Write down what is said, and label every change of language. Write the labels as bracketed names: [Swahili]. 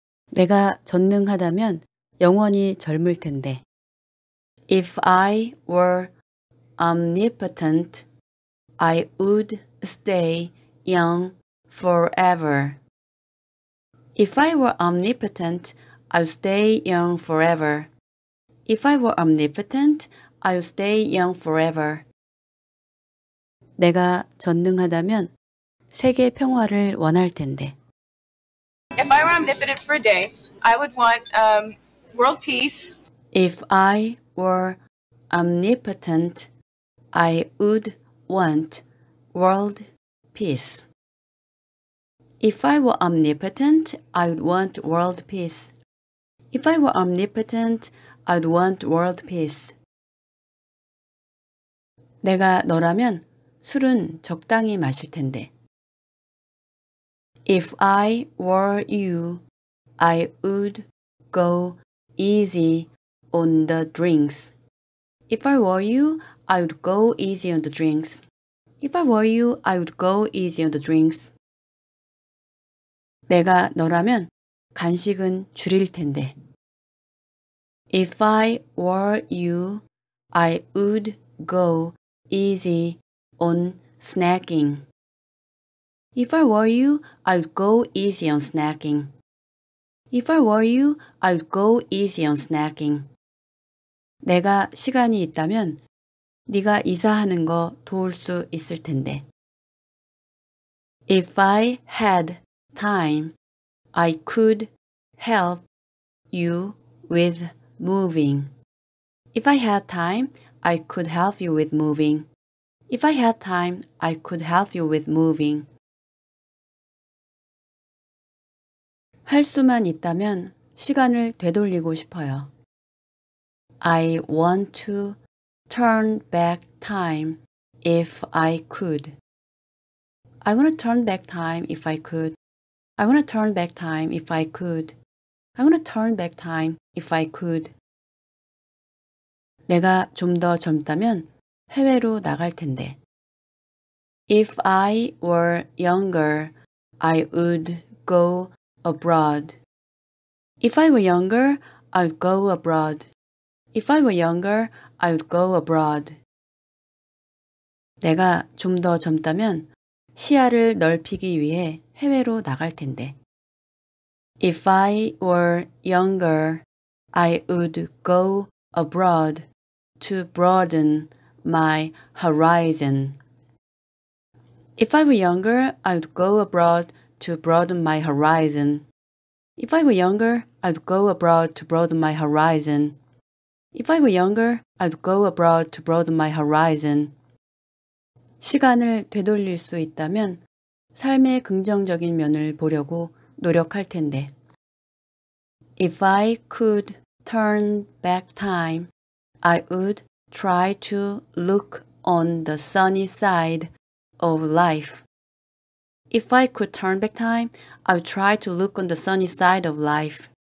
[Korean] 내가 전능하다면 영원히 젊을 텐데. [English] If I were omnipotent, I would stay young forever. If I were omnipotent, I would stay young forever. If I were omnipotent, I would stay young forever. [Korean] 내가 전능하다면 세계 평화를 원할 텐데. [English] If I were omnipotent for a day, I would want world peace. If I were omnipotent, I would want world peace. If I were omnipotent, I would want world peace. If I were omnipotent, I would want world peace. [Korean] 내가 너라면 술은 적당히 마실 텐데. [English] If I were you, I would go easy on the drinks. If I were you, I would go easy on the drinks. If I were you, I would go easy on the drinks. [Korean] 내가 너라면 간식은 줄일 텐데. [English] If I were you, I would go easy on snacking. If I were you, I would go easy on snacking. If I were you, I would go easy on snacking. [Korean] 내가 시간이 있다면 네가 이사하는 거 도울 수 있을 텐데. [English] If I had time, I could help you with moving. If I had time, I could help you with moving. If I had time, I could help you with moving. [Korean] 할 수만 있다면 시간을 되돌리고 싶어요. [English] I want to turn back time if I could. I want to turn back time if I could. I want to turn back time if I could. I want to turn back time if I could. [Korean] 내가 좀 더 젊다면 해외로 나갈 텐데. [English] If I were younger, I would go abroad. If I were younger, I would go abroad. If I were younger, I would go abroad. [Korean] 내가 좀 더 젊다면 시야를 넓히기 위해 해외로 나갈 텐데. [English] If I were younger, I would go abroad to broaden my horizon. If I were younger, I would go abroad to broaden my horizon. If I were younger, I'd go abroad to broaden my horizon. If I were younger, I'd go abroad to broaden my horizon. [Korean] 시간을 되돌릴 수 있다면 삶의 긍정적인 면을 보려고 노력할 텐데. [English] If I could turn back time, I would try to look on the sunny side of life. If I could turn back time, I would try to look on the sunny side of life.